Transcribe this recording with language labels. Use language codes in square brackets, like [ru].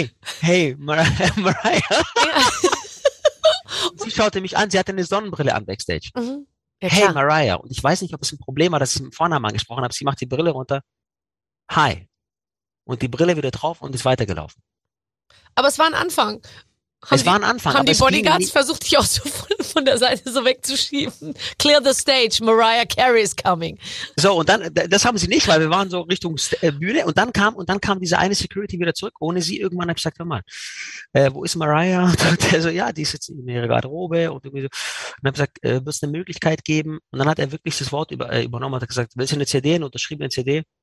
[de] Hey, Mariah. Ja. Sie schaute mich an, sie hatte eine Sonnenbrille an Backstage. Mhm. Ja, hey, Mariah. Und ich weiß nicht, ob es ein Problem war, dass ich im Vornamen angesprochen habe. Sie macht die Brille runter. Hi. Und die Brille wieder drauf und ist weitergelaufen. Aber es war ein Anfang. Haben die Bodyguards versucht, dich auch so von der Seite so wegzuschieben? [en] Clear the stage, Mariah Carey is coming. [de] So, und dann, das haben sie nicht, weil wir waren so Richtung Bühne und dann kam diese eine Security wieder zurück, ohne sie. Irgendwann habe ich gesagt, hör mal, wo ist Mariah? Und der so, ja, die ist jetzt in ihrer Garderobe. Und irgendwie so. Und dann habe ich gesagt, wirst du eine Möglichkeit geben? Und dann hat er wirklich das Wort übernommen und hat gesagt, willst du eine CD, eine unterschriebene CD?